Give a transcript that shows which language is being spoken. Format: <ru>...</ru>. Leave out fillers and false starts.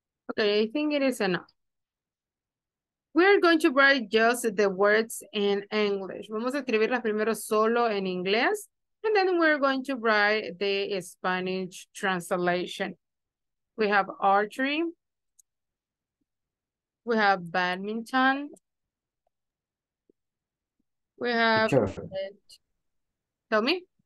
<en>Okay, I think it is enough. We're going to write just the words in English.</en> <es>Vamos a escribir las primero solo en inglés.</es> <en>And then we're going to write the Spanish translation. We have archery. We have badminton. We have... Tell me.</en>